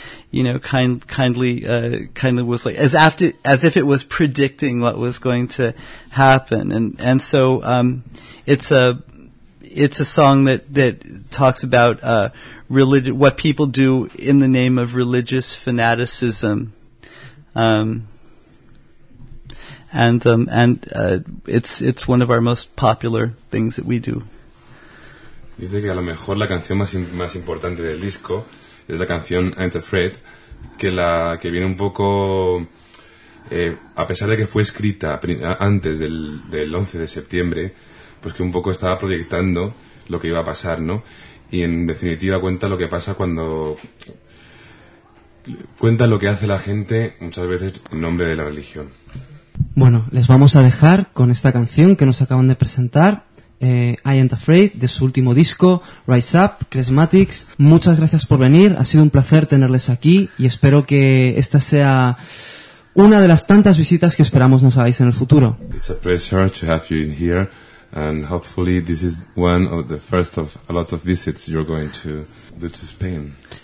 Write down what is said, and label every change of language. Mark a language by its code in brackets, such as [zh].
[en] you know, kindly was like as if it was predicting what was going to happen, and so it's a song that talks about religion, what people do in the name of religious fanaticism, it's one of our most popular things that we do. [es] Dice que a lo mejor la canción más importante del disco es la canción Ain't Afraid, que viene un poco, a pesar de que fue escrita antes del 11 de septiembre, pues que un poco estaba proyectando lo que iba a pasar, ¿no? Y en definitiva cuenta lo que pasa cuando... cuenta lo que hace la gente muchas veces en nombre de la religión. Bueno, les vamos a dejar con esta canción que nos acaban de presentar, I Ain't Afraid, de su último disco, Rise Up, Chrismatics. Muchas gracias por venir, ha sido un placer tenerles aquí y espero que esta sea una de las tantas visitas que esperamos nos hagáis en el futuro. [en] It's a pleasure to have you in here and hopefully this is one of the first of a lot of visits you're going to do to Spain.